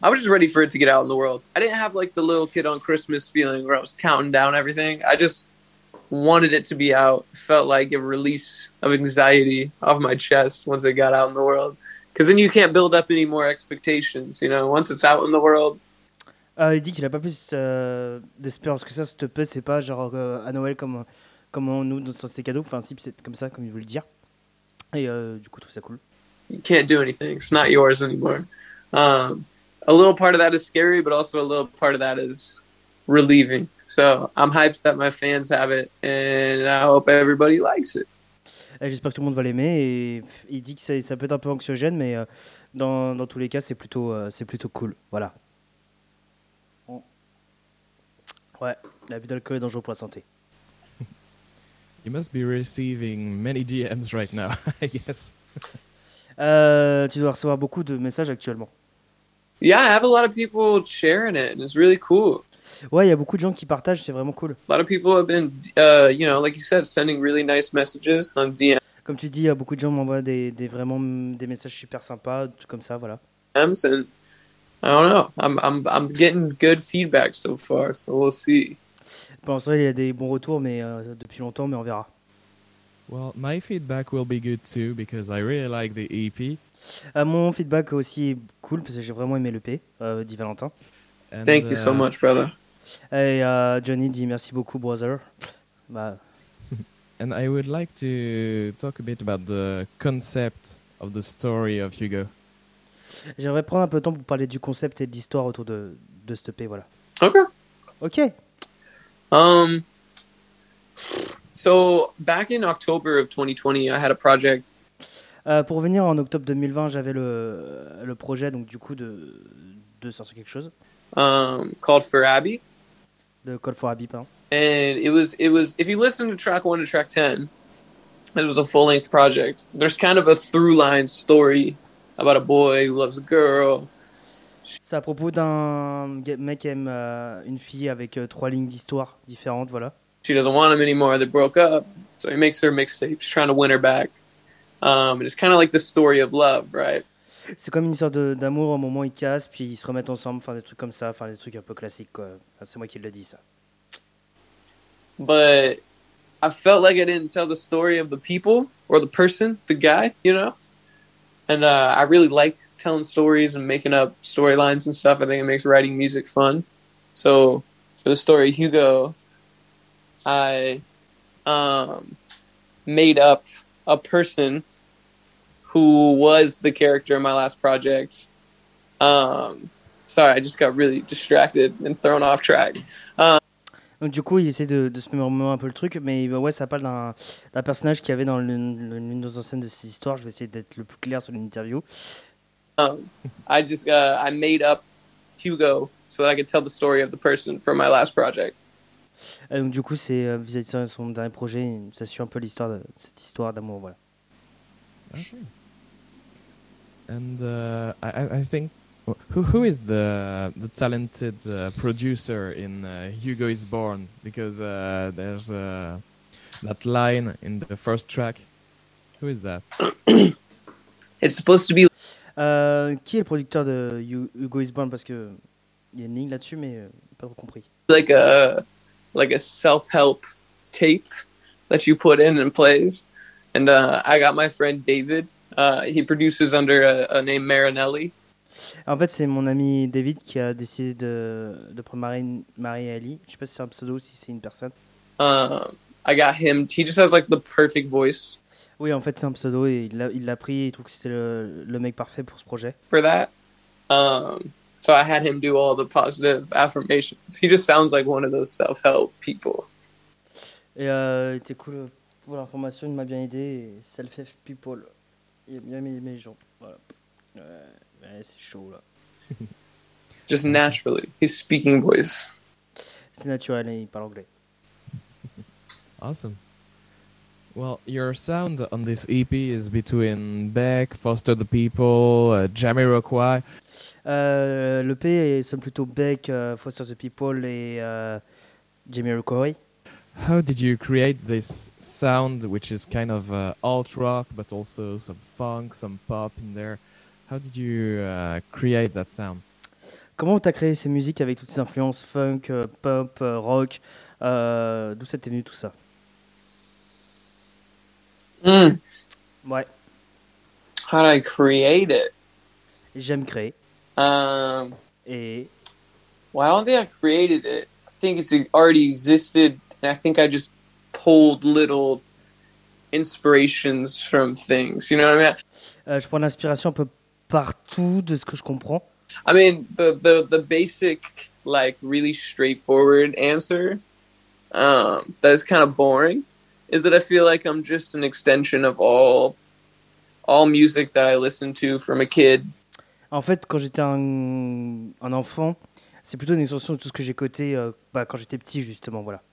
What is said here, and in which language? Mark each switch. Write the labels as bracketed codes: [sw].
[en] I was just ready for it to get out in the world. I didn't have like the little kid on Christmas feeling where I was counting down everything. I just wanted it to be out. Felt like a release of anxiety off my chest once it got out in the world. Because then you can't build up any more expectations, you know, once it's out in the world. [fr] Il dit qu'il n'a pas plus d'espérance que ça, s'il te plaît, c'est pas genre à Noël comme on nous dans ses cadeaux. Enfin, si, c'est comme ça, comme il veut le dire. Et du coup, je trouve ça cool. [en] You can't do anything. It's not yours anymore. A little part of that is scary, but also a little part of that is relieving. So I'm hyped that my fans have it, and I hope everybody likes it. [fr] J'espère que tout le monde va l'aimer. Et il dit que ça peut être un peu anxiogène, mais dans tous les cas, c'est plutôt cool. Voilà. Ouais, l'abus d'alcool est dangereux pour la santé. [en] You must be receiving many DMs right now, I guess. [fr] Tu dois recevoir beaucoup de messages actuellement. [en] Yeah, I have a lot of people sharing it, and it's really cool. [fr] Ouais, il y a beaucoup de gens qui partagent, c'est vraiment cool. [en] A lot of people have been, you know, like you said, sending really nice messages on DM. [fr] Comme tu dis, beaucoup de gens m'envoient des messages super sympas, tout comme ça, voilà. [en] DMs and I don't know. I'm getting good feedback so far, so we'll see. [fr] Bon, ça, il y a des bons retours, mais depuis longtemps, mais on verra. [en] Well, my feedback will be good too because I really like the EP. [fr] Mon feedback aussi est cool parce que j'ai vraiment aimé l'EP, dit Valentin. [en] Thank you so much, brother. [fr] Et Johnny dit merci beaucoup, brother. Bah. [en] And I would like to talk a bit about the concept of the story of Hugo. [fr] J'aimerais prendre un peu de temps pour parler du concept et de l'histoire autour de cette EP, voilà. [en] Ok. So, back in October of 2020, I had a project. [fr] Pour venir en octobre 2020, j'avais le projet, donc du coup, de sortir quelque chose. [en] Called For Abby. [fr] De Call For Abby, pardon. [en] And it was, if you listen to track 1 and track 10, it was a full-length project. There's kind of a through-line story about a boy who loves a girl. [fr] C'est à propos d'un mec qui aime une fille avec trois lignes d'histoire différentes, voilà. [en] She doesn't want him anymore, they broke up. So he makes her mixtape, he's trying to win her back. And it's kind of like the story of love, right? [fr] C'est comme une histoire d'amour au moment où ils cassent, puis ils se remettent ensemble, enfin des trucs comme ça, enfin des trucs un peu classiques, quoi. Enfin, c'est moi qui le dis, ça. [en] But I felt like I didn't tell the story of the people, or the person, the guy, you know? And I really like telling stories and making up storylines and stuff. I think it makes writing music fun. So for the story Hugo, I made up a person who was the character in my last project. Sorry, I just got really distracted and thrown off track. [fr] Donc du coup, il essaie de se mémoriser un peu le truc, mais bah ouais, ça parle d'un personnage qu'il y avait dans l'une des scènes de ses histoires. Je vais essayer d'être le plus clair sur l'interview. [en] I made up Hugo so that I could tell the story of the person from my last project. [fr] Donc du coup, c'est vis-à-vis de son dernier projet, ça suit un peu l'histoire de cette histoire d'amour, voilà. [en] Okay. And I think. Who is the talented producer in Hugo is Born? Because there's that line in the first track. Who is that? It's supposed to be. [fr] Qui est le producteur de Hugo is Born? Parce que il y a une ligne là-dessus, mais pas trop compris. [en] Like a self-help tape that you put in and plays, and I got my friend David. He produces under a name Marinelli. [fr] En fait, c'est mon ami David qui a décidé de prendre Marie-Ali. Je sais pas si c'est un pseudo ou si c'est une personne. [en] I got him. He just has like the perfect voice. [fr] Oui, en fait, c'est un pseudo et il l'a pris. Il trouve que c'était le mec parfait pour ce projet. [en] For that, so I had him do all the positive affirmations. He just sounds like one of those self-help people. [fr] Et il était cool pour l'information. Il m'a bien aidé. [en] Self-help people. [fr] Il a bien aimé les gens. Voilà. Ouais, c'est chaud là. [en] Just naturally, his speaking voice. [fr] C'est naturel, il parle anglais. [en] Awesome. Well, your sound on this EP is between Beck, Foster the People, Jamiroquai. [fr] L'EP, ils sont plutôt Beck, Foster the People et Jamie Rukori. [en] How did you create this sound, which is kind of alt rock, but also some funk, some pop in there? How did you create that sound? [fr] Comment t'as créé ces musiques avec toutes ces influences funk, pop, rock? D'où ça t'est venu tout ça? Ouais. [en] How did I create it? [fr] J'aime créer. Et. [en] Well, I don't think I created it. I think it's already existed. And I think I just pulled little inspirations from things. You know what I mean? [fr] Je prends l'inspiration un peu partout de ce que je comprends. [en] I mean, the basic, like, really straightforward answer that is kind of boring is that I feel like I'm just an extension of all music that I listened to from a kid. [fr] En fait, quand j'étais un enfant, c'est plutôt une extension de tout ce que j'écoutais quand j'étais petit, justement, voilà.